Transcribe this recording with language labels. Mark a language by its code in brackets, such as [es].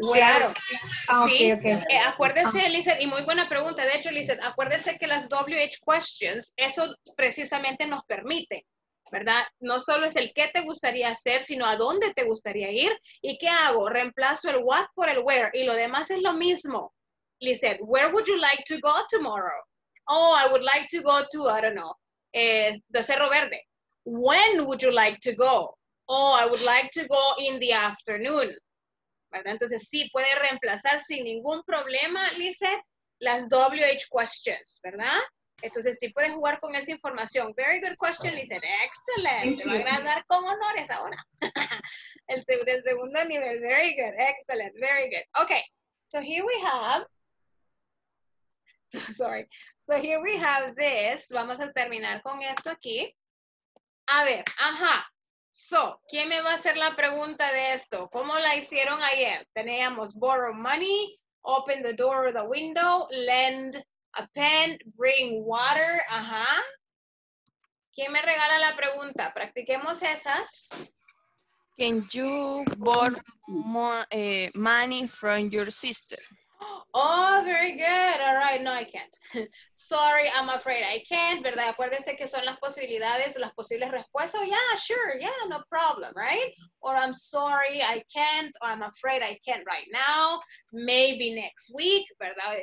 [es] Claro. Ah, okay, sí. Okay. Acuérdese, Lizeth, y muy buena pregunta. De hecho, Lizeth, acuérdese que las WH questions, eso precisamente nos permite, ¿verdad? No solo es el qué te gustaría hacer, sino a dónde te gustaría ir. ¿Y qué hago? Reemplazo el what por el where. Y lo demás es lo mismo. [en] Lizeth, where would you like to go tomorrow? Oh, I would like to go to, I don't know. De Cerro Verde. When would you like to go? Oh, I would like to go in the afternoon. [es] ¿Verdad? Entonces, sí, puede reemplazar sin ningún problema, Lise, las WH questions, ¿verdad? Entonces, sí puede jugar con esa información. [en] Very good question, Lise. Excellent. [es] Te va a graduar con honores ahora. El segundo nivel. [en] Very good. Excellent. Very good. Okay. So here we have this. [es] Vamos a terminar con esto aquí. A ver, ajá. [en] So, [es] ¿quién me va a hacer la pregunta de esto? ¿Cómo la hicieron ayer? Teníamos [en] borrow money, open the door or the window, lend a pen, bring water, [es] ajá. ¿Quién me regala la pregunta? Practiquemos esas. [en] Can you borrow money from your sister? Oh, very good. All right, no, I can't. Sorry, I'm afraid I can't, [es] ¿verdad? Acuérdense que son las posibilidades, las posibles respuestas. [en] Oh, yeah, sure, yeah, no problem, right? Or I'm sorry, I can't, or I'm afraid I can't right now, maybe next week, [es] ¿verdad?